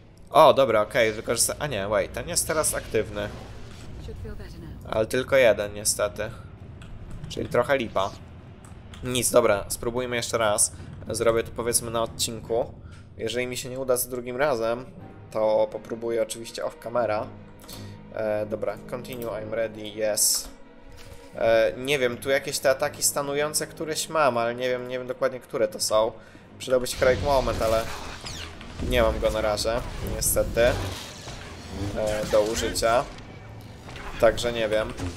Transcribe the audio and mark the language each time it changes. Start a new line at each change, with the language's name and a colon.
Polish: O, dobra, okej, wykorzystałem... A nie, wait, ten jest teraz aktywny. Ale tylko jeden, niestety. Czyli trochę lipa. Nic, dobra, spróbujmy jeszcze raz. Zrobię to powiedzmy na odcinku. Jeżeli mi się nie uda za drugim razem, to popróbuję oczywiście
English: off camera.
Polish: Dobra,
English: continue, I'm ready, yes.
Polish: Nie wiem, tu jakieś te ataki stanujące któreś mam, ale nie wiem dokładnie które to są. Przydałby się Craig Moment, ale nie mam go na razie, niestety, do użycia. Także nie wiem.